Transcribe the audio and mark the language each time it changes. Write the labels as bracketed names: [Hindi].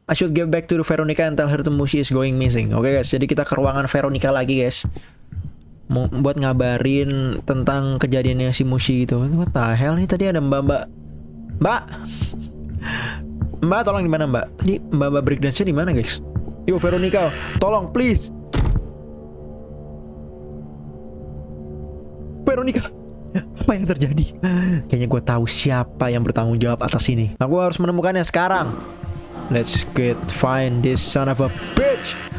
[English] I should get back to Veronica and tell her the Mushi is going missing. [Indonesian] Oke, guys, jadi kita ke ruangan Veronica lagi, guys. Buat ngabarin tentang kejadiannya si Mushi itu. [English] What the hell [Indonesian] nih, tadi ada mbak. Mbak, tolong di mana, Mbak? Tadi Mbak breakdance-nya di mana, guys? Yo, Veronica, tolong please. Veronica, apa yang terjadi? Kayaknya gue tahu siapa yang bertanggung jawab atas ini. Nah, gue harus menemukannya sekarang. [English] Let's get find this son of a bitch.